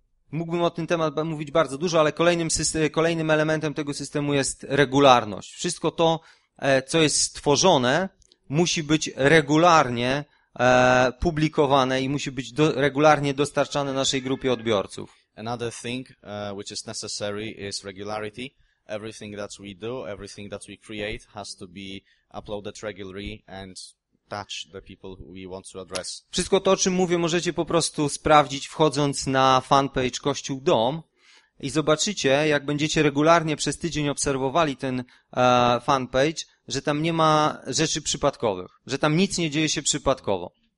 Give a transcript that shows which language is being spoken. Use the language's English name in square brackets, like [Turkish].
[Polish] Mógłbym o tym temat mówić bardzo dużo, ale kolejnym elementem tego systemu jest regularność. Wszystko to, co jest stworzone, musi być regularnie publikowane i musi być regularnie dostarczane naszej grupie odbiorców. [English] Another thing which is necessary is regularity. Everything that we do, everything that we create has to be uploaded regularly and touch the people we want to address. [Polish] Wszystko to, o czym mówię, możecie po prostu sprawdzić, wchodząc na fanpage Kościół Dom i zobaczycie, jak będziecie regularnie przez tydzień obserwowali ten fanpage, że tam nie ma rzeczy przypadkowych, że tam nic nie dzieje się przypadkowo.